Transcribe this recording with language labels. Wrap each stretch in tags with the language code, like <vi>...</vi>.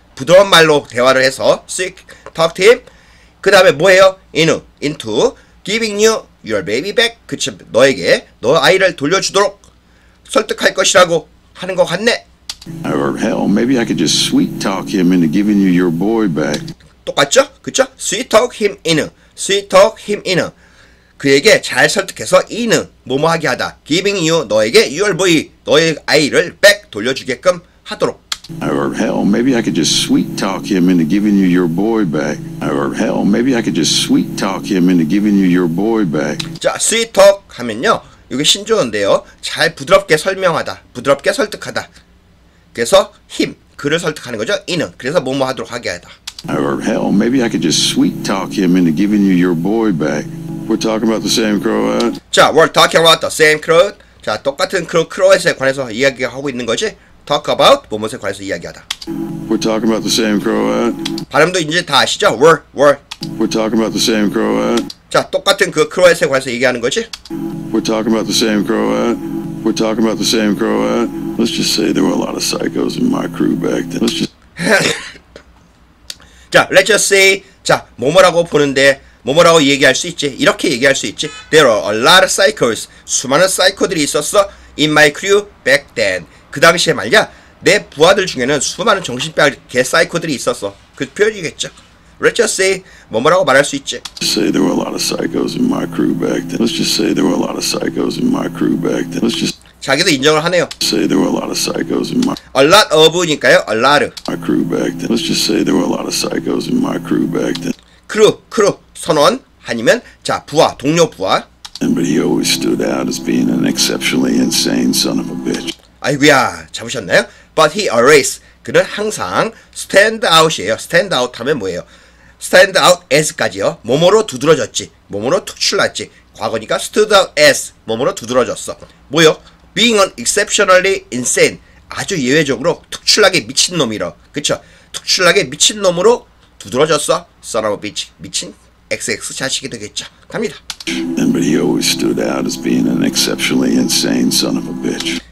<ko>부드러운 말로 대화를 해서.</ko> <en>Sweet talk to him.</en> <ko>그 다음에 뭐예요?</ko> <en>Into. Giving you your baby back. 그쵸.</en> <ko>너에게 너 아이를 돌려주도록 설득할 것이라고. 하는 것 같네.</ko> <en>Or hell, maybe I could just sweet talk him into giving you your boy back.</en> <ko>똑같죠? 그쵸?</ko> <en>Sweet talk him in. Sweet talk him in.</en> <ko>그에게 잘 설득해서 in. 뭐뭐하게 하다.</ko> <en>Giving you,</en> <ko>너에게 your boy. 너의 아이를 back 돌려주게끔 하도록.</ko> <en>Or hell, maybe I could just sweet talk him into giving you your boy back. Or hell, maybe I could just sweet talk him into giving you your boy back.</en> <ko>자, sweet talk 하면요. 이게 신조어인데요. 잘 부드럽게 설명하다. 부드럽게 설득하다. 그래서 힘. 그를 설득하는 거죠. 이는. 그래서 뭐뭐 하도록 하게 하다.</ko> <en>Or hell, maybe I could just sweet talk him into giving you your boy back. We're talking about the same crow, huh? 자, we're talking about the same crow.</en> <ko>자, 똑같은 크로에 관해서 이야기하고 있는 거지.</ko> <en>Talk about</en> <ko>뭐뭐에 관해서 이야기하다.</ko> <en>We're talking about the same crow, huh?</en> <ko>발음도 이제 다 아시죠? We're.</ko> <en>We're talking about the same crow, huh?</en> <ko>자, 똑같은 그 크로에 관해서 얘기하는 거지.</ko> <en>We're talking about the same crow, huh? We're talking about the same crow, huh? Let's just say there were a lot of psychos in my crew back then. Let's just. 자, let's just say. 자, 뭐뭐라고 보는데, 뭐뭐라고 얘기할 수 있지.</en> <ko>이렇게 얘기할 수 있지.</ko> <en>There are a lot of psychos.</en> <ko>수많은 사이코들이 있었어.</ko> <en>In my crew back then.</en> <ko>그 당시에 말이야. 내 부하들 중에는 수많은 정신병 개 사이코들이 있었어. 그 표현이겠죠.</ko> <en>Let's just say</en> <ko>뭐뭐라고 말할 수 있지.</ko> <en>Say there were a lot of psychos in my crew back then. Let's just say there were a lot of psychos in my crew back then. Let's just.</en> <ko>자기도 인정을 하네요.</ko> <en>Say there were a lot of psychos in my. A lot of니까요. A lot. My crew back then. Let's just say there were a lot of psychos in my crew back then.</en> <ko>Crew 선원 아니면 자 부하 동료 부하.</ko> <en>And but he always stood out as being an exceptionally insane son of a bitch.</en> <ko>아이구야 잡으셨나요?</ko> <en>But he always.</en> <ko>그는 항상 stand out이에요. Stand out 하면 뭐예요? Stand out as까지요. 몸으로 두드러졌지. 몸으로 특출났지. 과거니까</ko> <en>stood out as.</en> <ko>몸으로 두드러졌어. 뭐요?</ko> <en>Being an exceptionally insane.</en> <ko>아주 예외적으로 특출나게 미친놈이라. 그쵸? 특출나게 미친놈으로 두드러졌어.</ko> <en>Son of a bitch.</en> <ko>미친 XX 자식이 되겠죠. 갑니다.</ko> <en>And but he always stood out as being an exceptionally insane son of a bitch.</en>